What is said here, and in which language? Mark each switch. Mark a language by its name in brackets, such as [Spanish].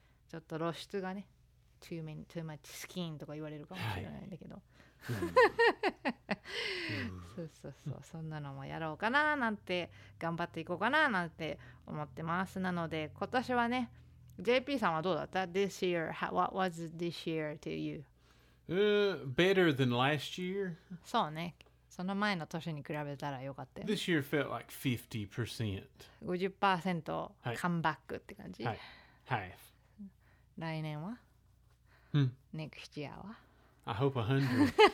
[Japanese] ちょっと露出がね [English] too many, too much skin [Japanese] とか言われるかもしれないんだけど、はい、うん、そうそうそう、そんなのもやろうかななんて頑張っていこうかななんて思ってます。なので今年はね、 JP さんはどうだった？ [English] This year, what was this year to you? Better than last year. [Japanese] そうね。その前の年に比べたら良かったよ、ね。 [English] This year felt like 50%. [Japanese] 50% [English] come back [Japanese] って感じ。はい。はい、来年は、うん、 [English] Next year は I hope 100.